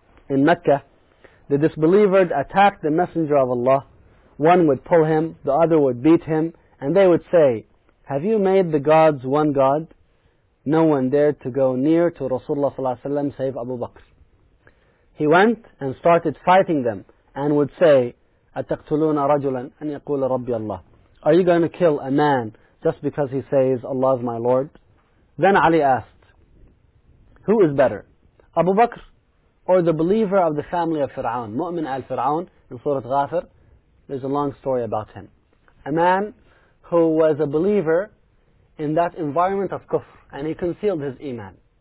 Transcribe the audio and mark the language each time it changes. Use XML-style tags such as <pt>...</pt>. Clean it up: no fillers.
<en>In Mecca, the disbelievers attacked the Messenger of Allah. One would pull him, the other would beat him, and they would say, 'Have you made the gods one god?' No one dared to go near to Rasulullah ﷺ save Abu Bakr. He went and started fighting them</en> <ar>and would say, أَتَقْتُلُونَ رَجُلًا أَنْ يَقُولَ رَبِّيَ اللَّهِ.</ar> <en>Are you going to kill a man just because he says, Allah is my Lord? Then Ali asked, who is better, Abu Bakr or the believer of the family of Fir'aun? Mu'min al-Fir'aun in Surah Ghafir, there's a long story about him. A man who was a believer in that environment of kufr, and he concealed his iman.</en>